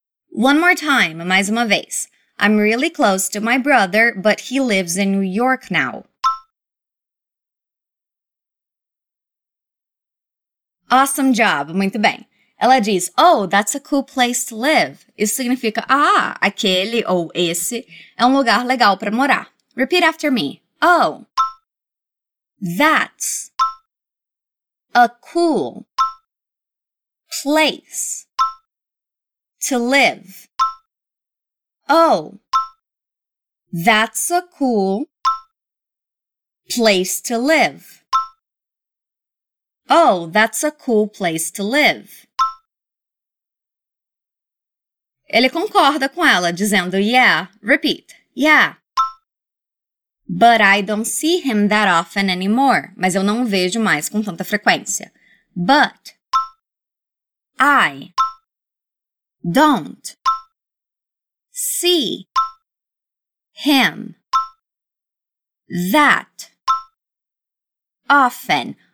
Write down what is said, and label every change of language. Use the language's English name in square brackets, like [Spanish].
[English] One more time, [Portuguese] mais uma vez. [English] I'm really close to my brother, but he lives in New York now. Awesome job, [Portuguese] muito bem. Ela diz, [English] oh, that's a cool place to live. Isso significa, [Portuguese] ah, aquele ou esse é um lugar legal para morar. [English] Repeat after me. Oh, that's a cool place to live. Oh, that's a cool place to live. Oh, that's a cool place to live. [Portuguese] Ele concorda com ela, dizendo, [English] yeah, repeat, yeah. But I don't see him that often anymore. [Portuguese] Mas eu não vejo mais com tanta frequência. [English] But I don't see him that often.